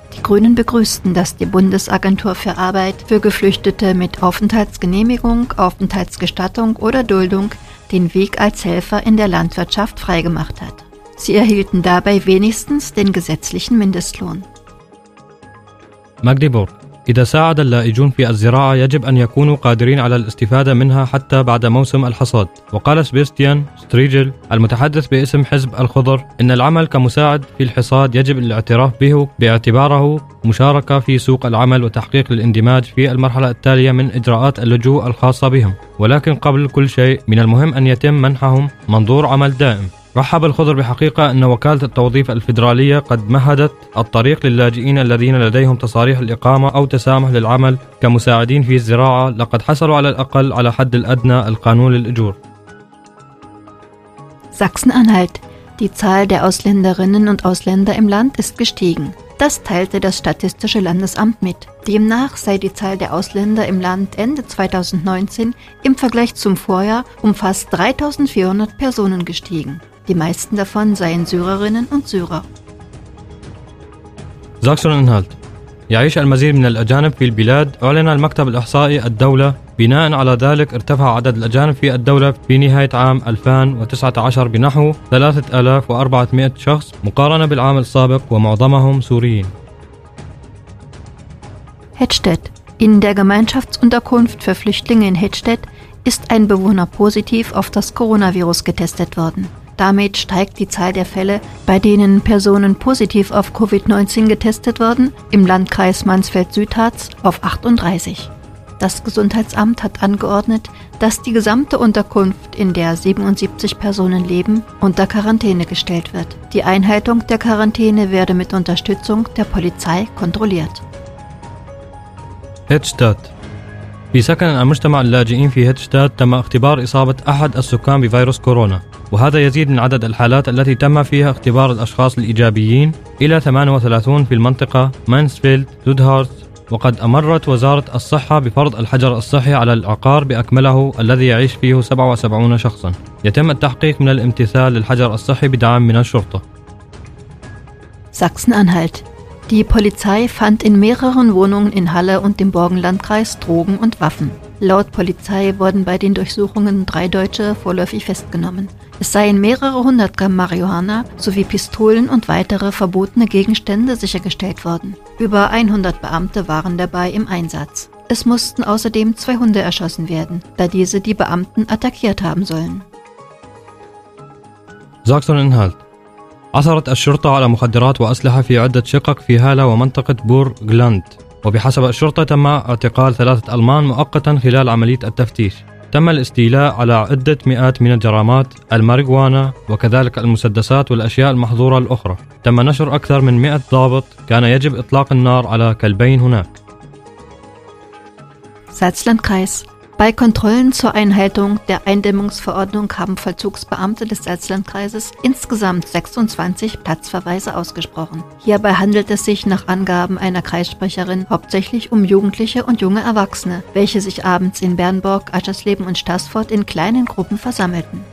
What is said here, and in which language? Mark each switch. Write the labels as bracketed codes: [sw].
[de] Die Grünen begrüßten, dass die Bundesagentur für Arbeit für Geflüchtete mit Aufenthaltsgenehmigung, Aufenthaltsgestattung oder Duldung den Weg als Helfer in der Landwirtschaft freigemacht hat. Sie erhielten dabei wenigstens den gesetzlichen Mindestlohn. Magdeburg. [ar] إذا ساعد اللائجون في الزراعة يجب أن يكونوا قادرين على الاستفادة منها حتى بعد موسم الحصاد وقال سبيستيان ستريجل المتحدث باسم حزب الخضر إن العمل كمساعد في الحصاد يجب الاعتراف به باعتباره مشاركة في سوق العمل وتحقيق الاندماج في المرحلة التالية من إجراءات اللجوء الخاصة بهم ولكن قبل كل شيء من المهم أن يتم منحهم منظور عمل دائم رحب الخضر بحقيقة أن وكالة التوظيف الفيدرالية قد مهدت الطريق للاجئين الذين لديهم تصاريح الإقامة أو تسامح للعمل كمساعدين في الزراعة لقد حصلوا على الأقل على حد الأدنى القانون للأجور. [de] Sachsen-Anhalt. Die Zahl der Ausländerinnen und Ausländer im Land ist gestiegen. Das teilte das Statistische Landesamt mit. Demnach sei die Zahl der Ausländer im Land Ende 2019 im Vergleich zum Vorjahr um fast 3.400 Personen gestiegen. Die meisten davon seien Syrerinnen und Syrer. Sachsen-Anhalt. [ar] يعيش المزيد من الأجانب في البلاد أعلن المكتب الإحصائي الدولة بناء على ذلك ارتفع عدد الأجانب في الدولة في نهاية عام 2019 بنحو 3400 شخص مقارنة بالعام السابق ومعظمهم سوريين [de] Hettstedt. In der Gemeinschaftsunterkunft für Flüchtlinge in Hettstedt ist ein Bewohner positiv auf das Coronavirus getestet worden. Damit steigt die Zahl der Fälle, bei denen Personen positiv auf Covid-19 getestet wurden, im Landkreis Mansfeld-Südharz auf 38. Das Gesundheitsamt hat angeordnet, dass die gesamte Unterkunft, in der 77 Personen leben, unter Quarantäne gestellt wird. Die Einhaltung der Quarantäne werde mit Unterstützung der Polizei kontrolliert. Hedstadt. [ar] بسكن المجتمع اللاجئين في هيدستاد تم اختبار إصابة أحد السكان بفيروس كورونا وهذا يزيد من عدد الحالات التي تم فيها اختبار الأشخاص الإيجابيين إلى 38 في المنطقة مانسفيلد زودهارت وقد أمرت وزارة الصحة بفرض الحجر الصحي على العقار بأكمله الذي يعيش فيه 77 شخصا يتم التحقيق من الامتثال للحجر الصحي بدعم من الشرطة [de] ساكسن-أنهالت Die Polizei fand in mehreren Wohnungen in Halle und dem Burgenlandkreis Drogen und Waffen. Laut Polizei wurden bei den Durchsuchungen 3 Deutsche vorläufig festgenommen. Es seien mehrere 100 Gramm Marihuana sowie Pistolen und weitere verbotene Gegenstände sichergestellt worden. Über 100 Beamte waren dabei im Einsatz. Es mussten außerdem 2 Hunde erschossen werden, da diese die Beamten attackiert haben sollen. [ar] Sachs und Inhalt عثرت الشرطة على مخدرات وأسلحة في عدة شقق في هالة ومنطقة بور جلاند وبحسب الشرطة تم اعتقال 3 ألمان مؤقتا خلال عملية التفتيش تم الاستيلاء على عدة مئات من الجرامات الماريجوانا وكذلك المسدسات والأشياء المحظورة الأخرى تم نشر أكثر من 100 ضابط كان يجب إطلاق النار على كلبين هناك [de] Salzlandkreis Bei Kontrollen zur Einhaltung der Eindämmungsverordnung haben Vollzugsbeamte des Salzlandkreises insgesamt 26 Platzverweise ausgesprochen. Hierbei handelt es sich nach Angaben einer Kreissprecherin hauptsächlich um Jugendliche und junge Erwachsene, welche sich abends in Bernburg, Aschersleben und Stassfurt in kleinen Gruppen versammelten.